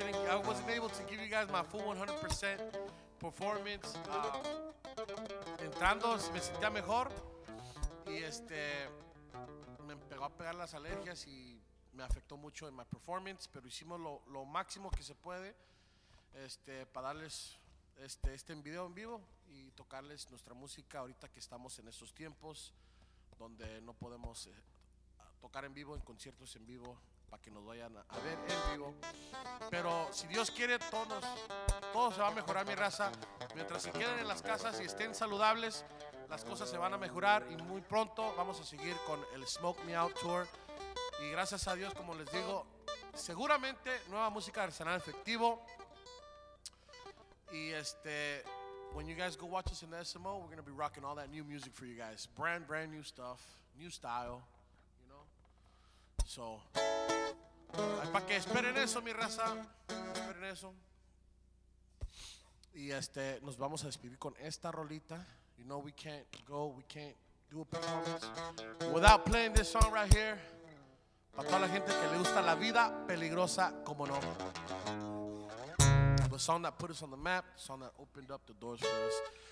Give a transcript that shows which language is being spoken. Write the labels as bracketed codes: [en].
[en] I wasn't able to give you guys my full 100% performance. [es] Entrando me sentía mejor y me pegó a pegar las alergias y me afectó mucho en [en] my performance, [es] pero hicimos lo máximo que se puede para darles este video en vivo y tocarles nuestra música ahorita que estamos en estos tiempos donde no podemos tocar en vivo, en conciertos en vivo, para que nos vayan a ver en vivo. Pero si Dios quiere, todo se va a mejorar, mi raza. Mientras se queden en las casas y estén saludables, las cosas se van a mejorar y muy pronto vamos a seguir con el Smoke Me Out Tour. Y gracias a Dios, como les digo, seguramente nueva música de Arsenal Efectivo. [en] Y when you guys go watch us in the SMO, we're going to be rocking all that new music for you guys. Brand new stuff, new style, you know. [es] So, para que esperen eso, mi raza, esperen eso. Y nos vamos a despedir con esta rolita. [en] You know, we can't do a performance without playing this song right here. [es] Para toda la gente que le gusta la vida peligrosa, como no. [en] The song that put us on the map, the song that opened up the doors for us.